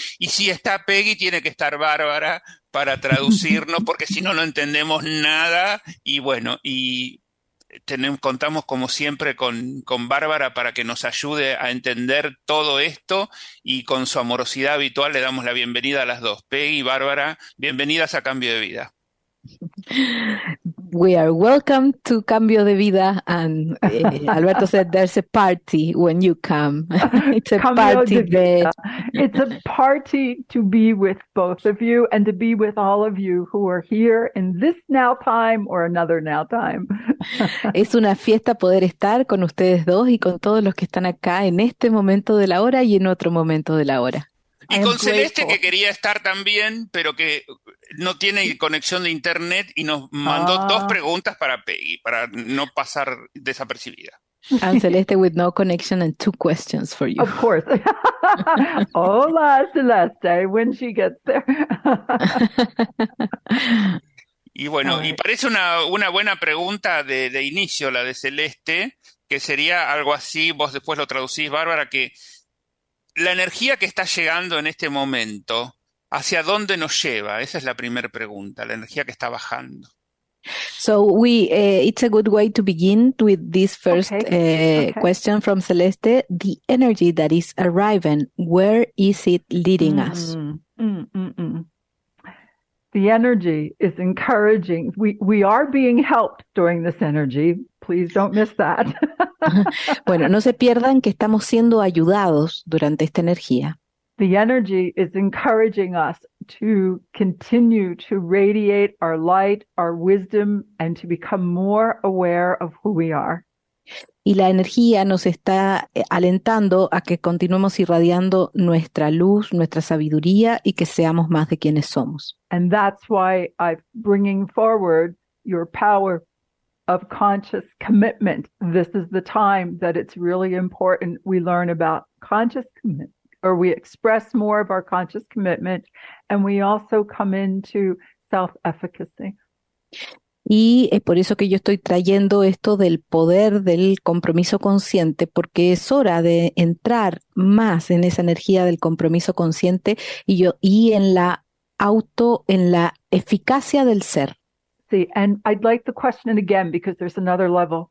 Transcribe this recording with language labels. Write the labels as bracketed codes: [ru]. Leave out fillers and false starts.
[es] Y si está Peggy, tiene que estar Bárbara para traducirnos, porque si no, no entendemos nada. Y bueno, y contamos como siempre con Bárbara para que nos ayude a entender todo esto, y con su amorosidad habitual le damos la bienvenida a las dos. Peggy y Bárbara, bienvenidas a Cambio de Vida. [en] We are welcome to Cambio de Vida, and Alberto said there's a party when you come. It's a Cambio party there. It's a party to be with both of you and to be with all of you who are here in this now time or another now time. [es] Es una fiesta poder estar con ustedes dos y con todos los que están acá en este momento de la hora y en otro momento de la hora. Y con Celeste, que quería estar también, pero que no tiene conexión de internet y nos mandó dos preguntas para Peggy, para no pasar desapercibida. [en] And Celeste with no connection and two questions for you. Of course. Hola, Celeste, when she gets there. [es] Y bueno, y parece una buena pregunta de inicio la de Celeste, que sería algo así, vos después lo traducís, Bárbara, que la energía que está llegando en este momento, ¿hacia dónde nos lleva? Esa es la primera pregunta, la energía que está bajando. [en] So it's a good way to begin with this first question from Celeste. The energy that is arriving, where is it leading us? The energy is encouraging. We are being helped during this energy. Please don't miss that. [es] Bueno, no se pierdan que estamos siendo ayudados durante esta energía. [en] The energy is encouraging us to continue to radiate our light, our wisdom, and to become more aware of who we are. [es] Y la energía nos está alentando a que continuemos irradiando nuestra luz, nuestra sabiduría, y que seamos más de quienes somos. [en] And that's why I'm bringing forward your power of conscious commitment. This is the time that it's really important we learn about conscious commitment, or we express more of our conscious commitment, and we also come into self-efficacy. [es] Y es por eso que yo estoy trayendo esto del poder del compromiso consciente, porque es hora de entrar más en esa energía del compromiso consciente y en la eficacia del ser. [en] Sí, and I'd like the question again, because there's another level.